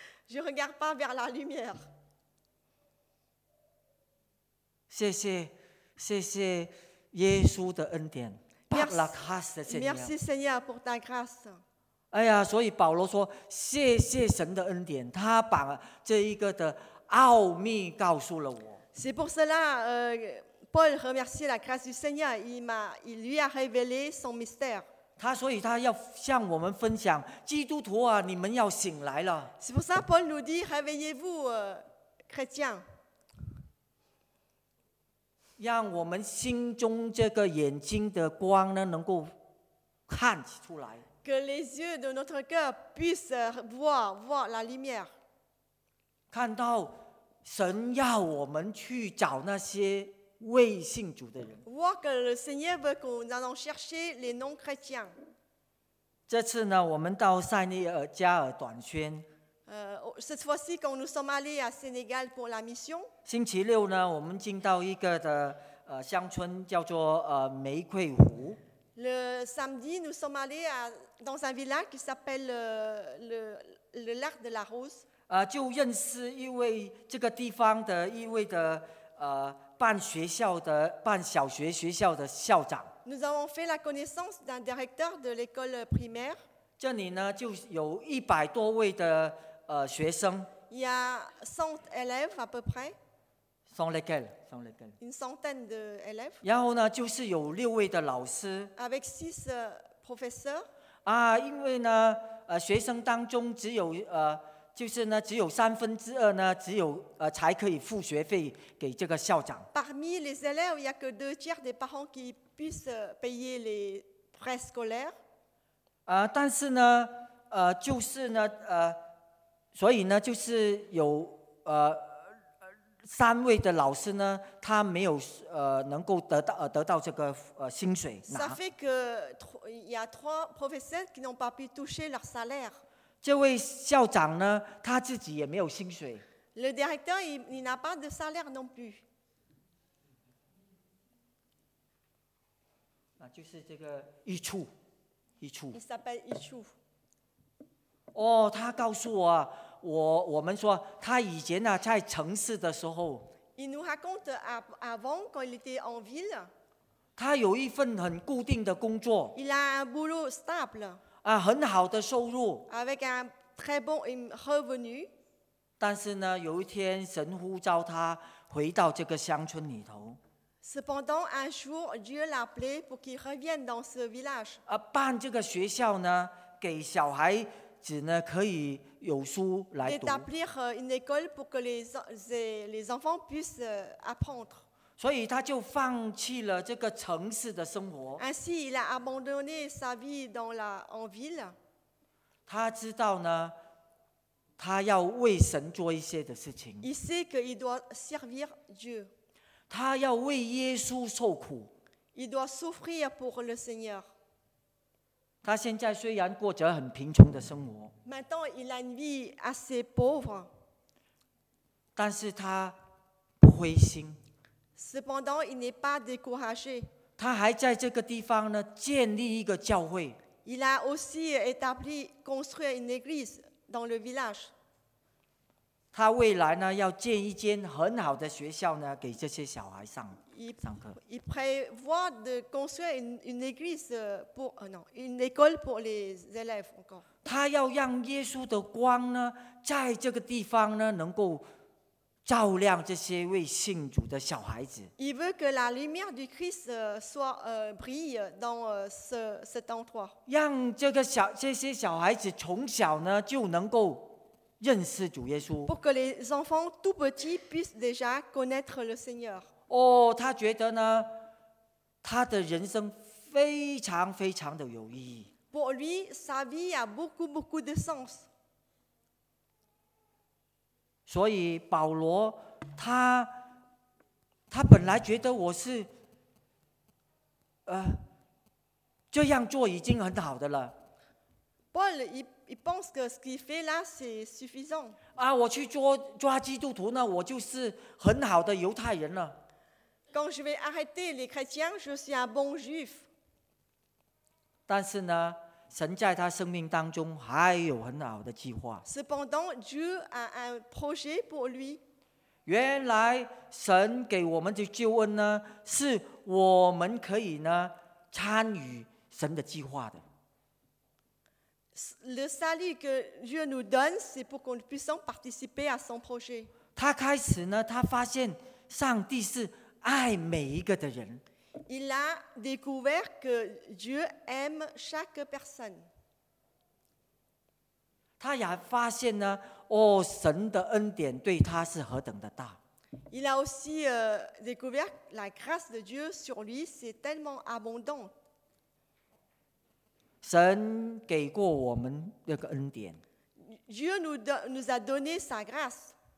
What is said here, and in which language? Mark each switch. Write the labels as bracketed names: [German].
[French] Je ne regarde pas vers la lumière. Merci Seigneur pour ta grâce. [Chinese] 哎呀，所以保罗说：“谢谢神的恩典，他把这一个的奥秘告诉了我。” [French] C'est pour cela que Paul remercie la grâce du Seigneur. Il lui a révélé son mystère. [Chinese] 他所以他要向我们分享，基督徒啊，你们要醒来了。 [French] C'est pour ça Paul nous dit, réveillez-vous, chrétiens. [Chinese] 让我们心中这个眼睛的光呢能够看出来。 [French] Que les yeux de notre cœur puissent voir la lumière. [Chinese] 看到神要我们去找那些未信主的人。 [French] Voir que le Seigneur veut que nous allons chercher les non-chrétiens. [Chinese] 这次呢，我们到塞内尔加尔短宣。 [French] Cette fois-ci, quand nous sommes allés à Sénégal pour la mission, [Chinese] 星期六呢，我们进到一个的乡村，叫做玫瑰湖。 [French] Le samedi, nous sommes allés dans un village qui s'appelle le lac de la rose. [Chinese] 就认识一位这个地方的一位的办学校的办小学学校的校长。 [French] Nous avons fait la connaissance d'un directeur de l'école primaire. [Chinese] 这里呢就有一百多位的学生。 [French] Il y a 100 élèves à peu près. Sont lesquels? Une centaine de élèves. [Chinese] 然后呢就是有六位的老师。 [French] Avec 6 professeurs. [Chinese] 因为呢学生当中只有就是呢只有三分之二呢只有才可以付学费给这个校长。 [French] Parmi les élèves, il y a que 2/3 des parents qui puissent payer les frais scolaires. [Chinese] 但是呢就是呢所以呢就是有三位的老师呢他没有能够得到这个薪水。 [French] Ça fait que il y a 3 professeurs qui n'ont pas pu toucher leur salaire. [Chinese] 这位校长呢他自己也没有薪水。 [French] Le directeur il n'a pas de salaire non plus. [Chinese] 就是这个益处。 [French] Il s'appelle Ichu. [Chinese] Oh, 他告诉我，我们说他以前呢在城市的时候。 [French] Il nous raconte avant quand il était en ville. [Chinese] 他有一份很固定的工作。 [French] Il a un boulot stable. [Chinese] 很好的收入。 [French] Avec un très bon revenu. [Chinese] 但是呢，有一天神呼召他回到这个乡村里头。 [French] Cependant, un jour, Dieu l'a appelé pour qu'il revienne dans ce village. [Chinese] 办这个学校呢，给小孩子呢可以有书来读。 [French] D'établir une école pour que les enfants puissent apprendre. [Chinese] 所以他就放弃了这个城市的生活。 [French] Ainsi, il a abandonné sa vie en ville. [Chinese] 他知道呢，他要为神做一些的事情。 [French] Il sait qu'il doit servir Dieu. [Chinese] 他要为耶稣受苦。 [French] Il doit souffrir pour le Seigneur. [Chinese] 他现在虽然过着很贫穷的生活。 [French] Maintenant, il a une vie assez pauvre. [Chinese] 但是他不灰心。 [French] Cependant, il n'est pas découragé. [Chinese] 他还在这个地方呢，建立一个教会。 [French] Il a aussi établi, construit une église dans le village. [Chinese] 他未来呢要建一间很好的学校呢给这些小孩上课。 [French] Il prévoit de construire une église pour non, une école pour les élèves encore. [Chinese] 他要让耶稣的光呢在这个地方呢能够照亮这些未信主的小孩子。 [French] Il veut que la lumière du Christ soit brille dans cet endroit. [Chinese] 让这些小孩子从小呢就能够认识主耶稣。 [French] Pour que les enfants tout petits puissent déjà connaître le Seigneur. [Chinese] 他觉得呢，他的人生非常非常的有意义。 [French] Pour lui, sa vie a beaucoup beaucoup de sens. [Chinese] 所以保罗，他本来觉得我是，这样做已经很好的了。 [French] Paul, il pense que ce qu'il fait là, c'est suffisant. [Chinese] 我去抓基督徒呢，我就是很好的犹太人了。 [French] Quand je vais arrêter les chrétiens, je suis un bon juif. [Chinese] 但是呢，神在他生命当中还有很好的计划。 [French] Cependant, Dieu a un projet pour lui. [Chinese] 原来神给我们的救恩呢，是我们可以呢参与神的计划的。 [French] Le salut que Dieu nous donne, c'est pour qu'on puisse participer à son projet. [Chinese] 他开始呢，他发现上帝是爱每一个的人。 [French] Il a découvert que Dieu aime chaque personne. [Chinese] 他也发现呢，神的恩典对他是何等的大。 [French] Il a aussi découvert la grâce de Dieu sur lui, c'est tellement abondant. [Chinese] 神给过我们这个恩典。 [French] Dieu nous a donné sa grâce.